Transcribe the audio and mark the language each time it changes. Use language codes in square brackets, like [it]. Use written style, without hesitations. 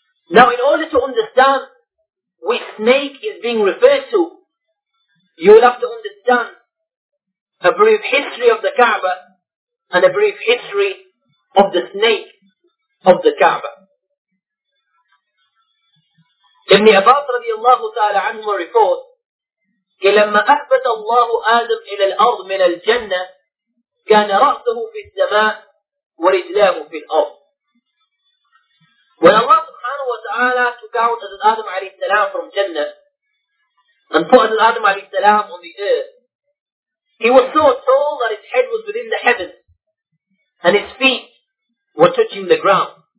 [en] Now, in order to understand which snake is being referred to, you will have to understand a brief history of the Kaaba and a brief history of the snake of the Kaaba. Ibn Abbas radiallahu ta'ala anhu reports, [ar] كَلَمَّا أَحْبَثَ اللَّهُ آدَمْ إِلَى الْأَرْضِ مِنَ الْجَنَّةِ كَانَ رَأْسَهُ فِي السَّمَاءِ وَرِجْلَاهُ فِي الْأَرْضِ. [en] When Allah subhanahu wa ta'ala took out Adil Adam alayhi salam from Jannah and put Adil Adam alayhi salam on the earth, he was so tall that his head was within the heavens and his feet were touching the ground.